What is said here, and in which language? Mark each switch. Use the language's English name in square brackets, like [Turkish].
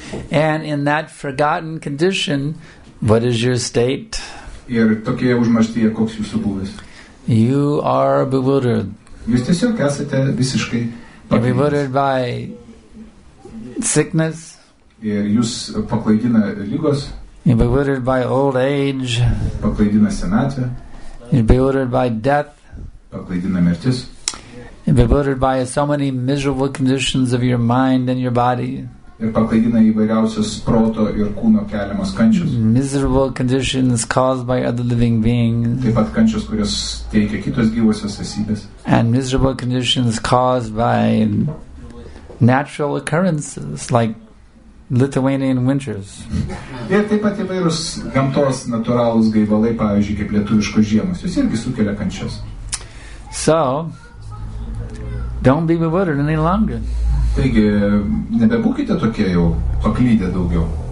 [English] And in that forgotten condition, what is your state? [Lithuanian] Ir tokie užmaštyje, koks jūsų būvis? [English] You are bewildered. [Lithuanian] Jūs tiesiog esate visiškai paklydęs. [English] Bewildered by sickness. [Lithuanian] Ir jūs paklaidina lygos. [English] You're bewildered by old age. [Lithuanian] Paklaidina senatvė. [English] You're bewildered by death. [Lithuanian] Paklaidina mirtis. [English] You're bewildered by so many miserable conditions of your mind and your body. [Lithuanian] Ir paklaidina įvairiausios proto ir kūno keliamos kančios. [English] Miserable conditions caused by other living beings. [Lithuanian] Taip pat kančios, kurios teikia kitos gyvosios esybės. [English] And miserable conditions caused by natural occurrences like Lithuanian winters. [Lithuanian] Ir taip pat įvairūs gamtos natūralūs gaivalai, pavyzdžiui, kaip lietuviškos žiemos, jis irgi sukelia kančias. [English] So, don't be bewildered any longer. [Lithuanian] Taigi, nebebūkite tokie jau paklydę daugiau.